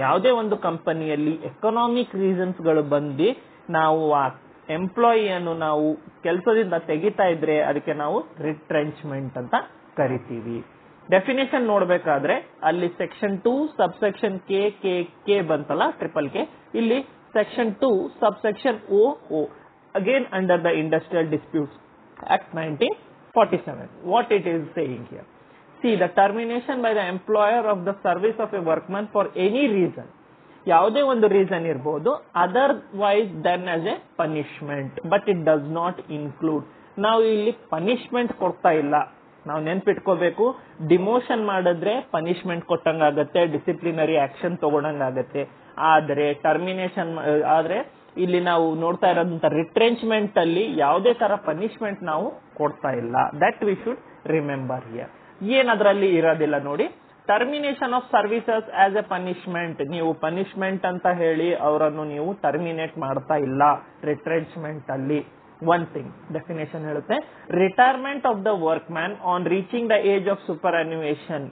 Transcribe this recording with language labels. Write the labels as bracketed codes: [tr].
[kn] ಯಾವುದೇ ಒಂದು ಕಂಪನಿಯಲ್ಲಿ ಎಕನಾಮಿಕ್ ರೀಸನ್ಸ್ ಗಳು ಬಂದು ನಾವು ಆ ಎಂಪ್ಲಾಯಿಯನ್ನು ನಾವು ಕೆಲಸದಿಂದ ತೆಗಿತಾ ಇದ್ರೆ ಅದಕ್ಕೆ ನಾವು ರಿಟ್ರೆಂಚ್ಮೆಂಟ್ ಅಂತ ಕರಿತೀವಿ. ಡೆಫಿನೇಷನ್ ನೋಡಬೇಕಾದ್ರೆ ಅಲ್ಲಿ ಸೆಕ್ಷನ್ 2 ಸಬ್ ಸೆಕ್ಷನ್ ಕೆ ಬಂತಲ್ಲ ಟ್ರಿಪಲ್ ಕೆ, ಇಲ್ಲಿ section 2 sub section O [en] again under the Industrial Disputes Act 1947. What it is saying here? See, the termination by the employer of the service of a workman for any reason, [kn] yavade ondu reason irbodu, [en] otherwise than as a punishment, but it does not include. [kn] ನಾವು ಇಲ್ಲಿ punishment ಕೊಡ್ತಾ ಇಲ್ಲ. ನಾವು ನೆನ್ಪಿಟ್ಕೋಬೇಕು, demotion ಮಾಡಿದ್ರೆ punishment ಕೊಟ್ಟಂಗಾಗತ್ತೆ, disciplinary action ತಗೊಂಡಂಗಾಗತ್ತೆ. ಆದರೆ termination ಆದರೆ ಇಲ್ಲಿ ನಾವು ನೋಡ್ತಾ ಇರೋದಂತ ರಿಟ್ರೆಂಚ್ಮೆಂಟ್ ಅಲ್ಲಿ ಯಾವುದೇ ತರ ಪನಿಷ್ಮೆಂಟ್ ನಾವು ಕೊಡ್ತಾ ಇಲ್ಲ. [en] That we should remember here. [kn] ಏನದ್ರಲ್ಲಿ ಇರೋದಿಲ್ಲ ನೋಡಿ, [en] Termination of services as a punishment. [kn] ನೀವು ಪನಿಷ್ಮೆಂಟ್ ಅಂತ ಹೇಳಿ ಅವರನ್ನು ನೀವು ಟರ್ಮಿನೇಟ್ ಮಾಡ್ತಾ ಇಲ್ಲ ರಿಟ್ರೆಂಚ್ಮೆಂಟ್ ಅಲ್ಲಿ. [en] One thing, definition [kn] helute, [en] retirement of the workman on reaching the age of superannuation.